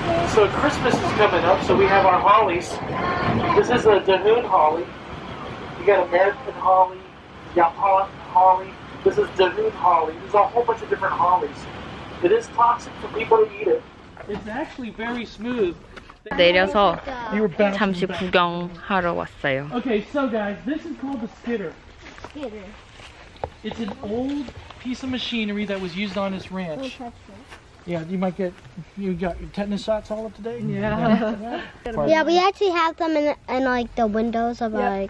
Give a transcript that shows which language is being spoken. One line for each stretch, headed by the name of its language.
English: So Christmas is coming up, so we have our hollies. This is a Dahoon holly. You got American holly, Yapon holly. This is Dahoon holly. There's a whole bunch of different hollies. It is toxic for people to eat it. It's actually very smooth.
Korean: 내려서 잠시 구경하러 왔어요.
English: Okay, so guys, this is called the skitter. Skitter. It's an old piece of machinery that was used on this ranch. Yeah, you might get, you got your tetanus shots all up today? Yeah. Yeah, we actually have them in like the windows of like.